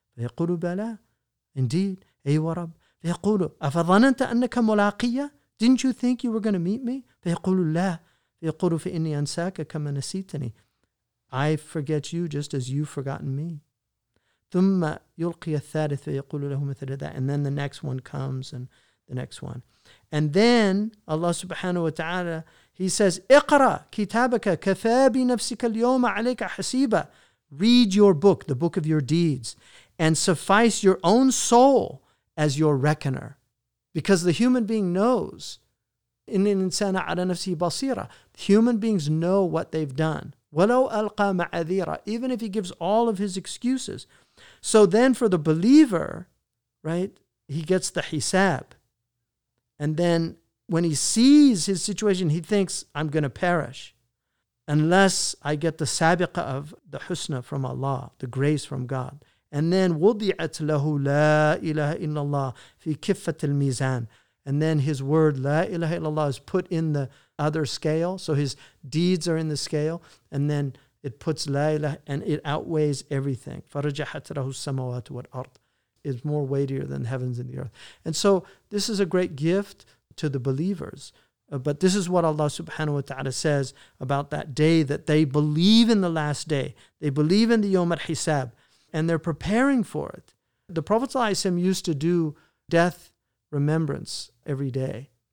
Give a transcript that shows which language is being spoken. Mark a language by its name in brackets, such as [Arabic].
[Arabic] فَيَقُولُ بَلَى, [English] indeed, [Arabic] أَيْوَ رَبْ. فَيَقُولُ أَفَظَنَنْتَ أَنَّكَ مُلَاقِيَ, [English] didn't you think you were going to meet me? [Arabic] فَيَقُولُ لَا. فَيَقُولُ فَإِنِّي أَنْسَاكَ كَمَا نَسِيتَنِي, [English] I forget you just as you've forgotten me. [Arabic] ثُمَّ يُلْقِيَ الثَّالِثُ فَيَقُولُ لَهُ مِثْلَ ذَا. [English] And then the next one comes and the next one. And then Allah subhanahu wa ta'ala, he says, [Arabic] اقرأ كتابك كفى بنفسك اليوم عليك حسيبا. [English] Read your book, the book of your deeds, and suffice your own soul as your reckoner. Because the human being knows. [Arabic] إن الإنسان على نفسه بصيرة. [English] Human beings know what they've done. [Arabic] ولو ألقى معذيرا. [English] Even if he gives all of his excuses. So then for the believer, right, he gets the hisab. And then when he sees his situation, he thinks, I'm going to perish unless I get the sabiqa of the husna from Allah, the grace from God. And then [Arabic] وضعت له لا إله إلا الله في كفة الميزان. [English] And then his word لا إله إلا الله is put in the other scale. So his deeds are in the scale. And then it puts [Arabic] لا إله [English] and it outweighs everything. [Arabic] فرجحت له السماوات والأرض. [English] Is more weightier than the heavens and the earth. And so this is a great gift to the believers. But this is what Allah subhanahu wa ta'ala says about that day, that they believe in the last day. They believe in the Yawm al-Hisab. And they're preparing for it. The Prophet ﷺ used to do death remembrance every day.